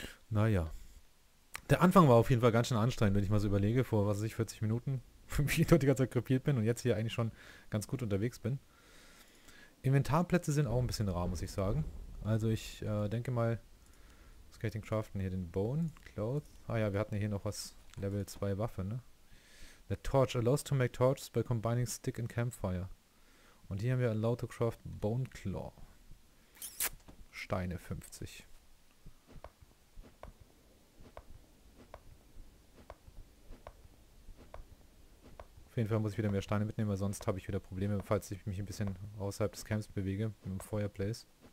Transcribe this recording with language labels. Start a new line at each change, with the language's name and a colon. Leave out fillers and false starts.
German: Naja. Der Anfang war auf jeden Fall ganz schön anstrengend, wenn ich mal so überlege, vor was weiß ich, 40 Minuten, wie ich dort die ganze Zeit krepiert bin und jetzt hier eigentlich schon ganz gut unterwegs bin. Inventarplätze sind auch ein bisschen rar, muss ich sagen. Also ich denke mal, was kann ich denn craften? Hier den Bone, Cloth. Ah ja, wir hatten ja hier noch was, Level 2 Waffe, ne?
English: The Torch allows to make torches by combining stick and campfire.
German: Und hier haben wir
English: allow to craft Bone Claw.
German: Steine 50. Auf jeden Fall muss ich wieder mehr Steine mitnehmen, weil sonst habe ich wieder Probleme, falls ich mich ein bisschen außerhalb des Camps bewege, mit dem Feuerplace.